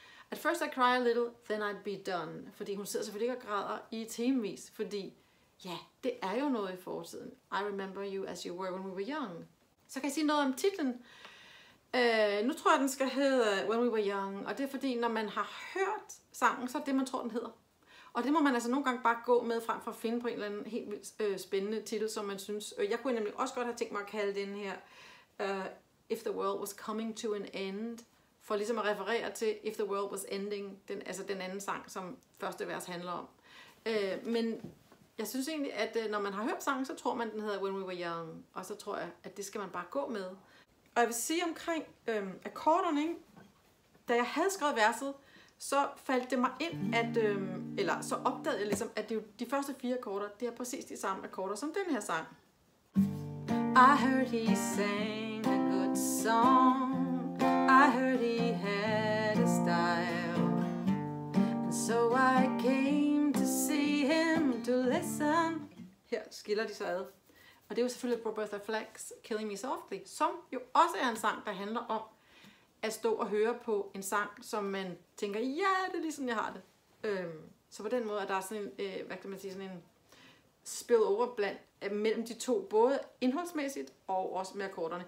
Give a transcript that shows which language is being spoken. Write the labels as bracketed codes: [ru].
[en] At first I cry a little, then I'd be done. [da] Fordi hun sidder selvfølgelig ikke og græder i timevis, fordi ja, det er jo noget i fortiden. [en] I remember you as you were when we were young. [da] Så kan jeg sige noget om titlen. Nu tror jeg, den skal hedde When We Were Young. Og det er fordi, når man har hørt sangen, så er det, man tror, den hedder. Og det må man altså nogle gange bare gå med frem for at finde på en eller anden helt vildt spændende titel, som man synes. Jeg kunne nemlig også godt have tænkt mig at kalde den her If the World Was Coming to an End. For ligesom at referere til If the World Was Ending, den anden sang, som første vers handler om. Men... jeg synes egentlig, at når man har hørt sangen, så tror man, den hedder When We Were Young. Og så tror jeg, at det skal man bare gå med. Og jeg vil sige omkring akkorderne, ikke? Da jeg havde skrevet verset, så faldt det mig ind, at så opdagede jeg ligesom, at det er de første fire akkorder, det er præcis de samme akkorder som den her sang. [en] I heard he sang a good song. I heard he had a style. And so I came to see him to listen. [da] Her skiller de så ad. Og det er jo selvfølgelig Roberta Flack's Killing Me Softly, som jo også er en sang, der handler om at stå og høre på en sang, som man tænker, ja, det er ligesom, jeg har det. Så på den måde er der sådan en, spill over blandt mellem de to, både indholdsmæssigt og også med akkorderne.